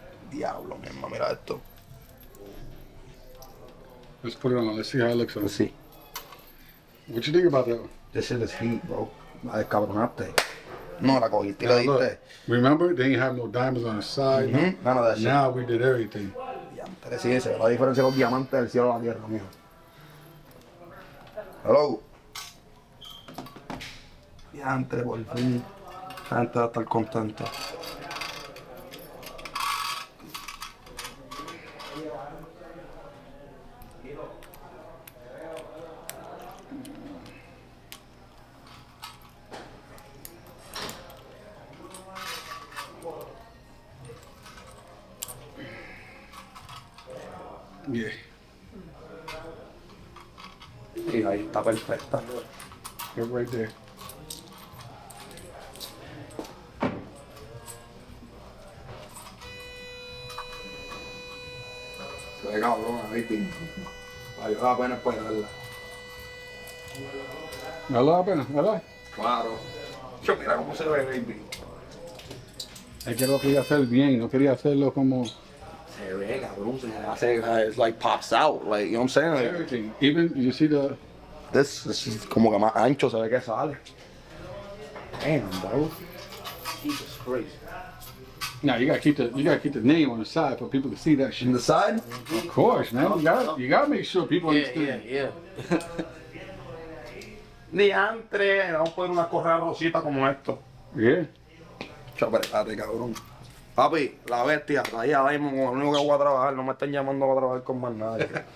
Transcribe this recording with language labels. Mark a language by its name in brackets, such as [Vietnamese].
[Spanish] Diablo, mi hermano, mira esto. [English] Let's put it on. Let's see how it looks on. Let's see. What you think about that one? This shit is heat, bro. [Spanish] I cabronaste. No, la cogiste y la diste. [English] Remember, they didn't have no diamonds on the side. Mm-hmm. None of that shit. Now we did everything. [Spanish] Diamante, sí, ese. La diferencia con diamante del cielo a la tierra, mijo. [English] Hello. [Spanish] Diamante, por fin. La gente va a estar contenta. [English] Yeah. [Spanish] Y ahí está perfecta. [English] You're right there. [Spanish] Se ve cabrón, ahí tiene. Valió la pena esperarla. ¿Vale la pena, verdad? Claro. Yo mira cómo se ve, baby. Es que lo quería hacer bien, no quería hacerlo como... Se ve, cabrón, se ve. [English] I say, it's like pops out, like, you know what I'm saying? Everything, like, even, you see the... This is [Spanish] como que más ancho, se ve que sale. [English] Damn, bro. Jesus Christ. Now, you gotta keep the name on the side for people to see that shit. In the side? Of course, man, you gotta make sure people understand. Yeah. [Spanish] Ni antes, vamos a poner una correa rosita como esto. [English] Yeah. [Spanish] Chaparate, cabrón. Papi, la bestia, ahí a Damon, lo único que voy a trabajar, no me están llamando para trabajar con más nadie.